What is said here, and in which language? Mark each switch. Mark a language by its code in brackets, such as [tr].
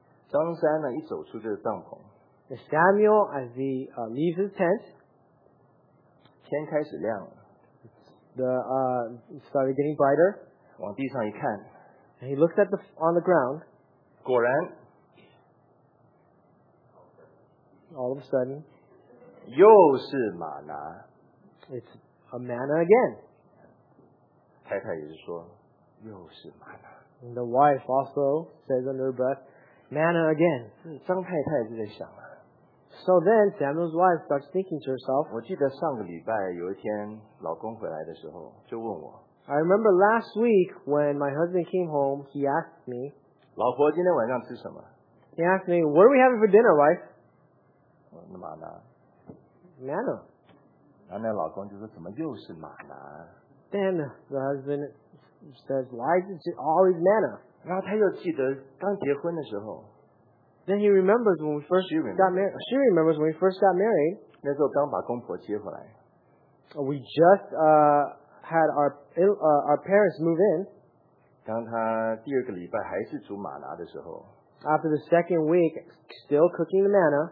[zh] 张三呢，一走出这个帐篷。 [en] And Samuel, as he leaves his tent, [zh] 天开始亮了。 [en] The started getting brighter. [zh] 往地上一看。 [en] And he looked at the on the ground. [zh] 果然。 [en] All of a sudden, [zh] 又是玛拿。 [en] It's a manna again. [zh] 太太也是说，又是玛拿。 [en] And the wife also says under her breath, manna again. [zh] 张太太就在想啊。 [en] So then Samuel's wife starts thinking to herself. [zh] 我记得上个礼拜有一天老公回来的时候就问我。 [en] I remember last week when my husband came home, he asked me. [zh] 老婆今天晚上吃什么？ [en] He asked me, what are we having for dinner, wife? [zh] 玛拿 [en] ，manna。 [zh] 然后那老公就说：“怎么又是玛拿 [en] ？”Then the husband says, "Why is it always manna?" [zh] 然后他又记得刚结婚的时候。 [en] Then he remembers when we first got married. She remembers when we first got married. [zh] 那时候刚把公婆接回来。 [en] We just had our parents move in. [zh] 当他第二个礼拜还是煮玛拿的时候。 [en] After the second week, still cooking the manna.